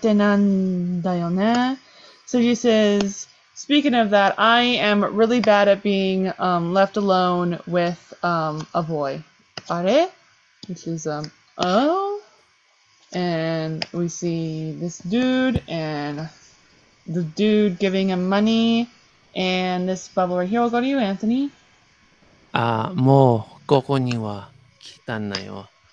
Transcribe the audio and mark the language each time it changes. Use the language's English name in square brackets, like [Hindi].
[Japanese] 男の子と二人きりで苦手なんだよね. [English] So she says, speaking of that, I am really bad at being left alone with a boy. [Japanese] あれ? [English] Which is, And we see this dude, and the dude giving him money. And this bubble right here will go to you, Anthony. [Japanese] もうここには来たんだよ.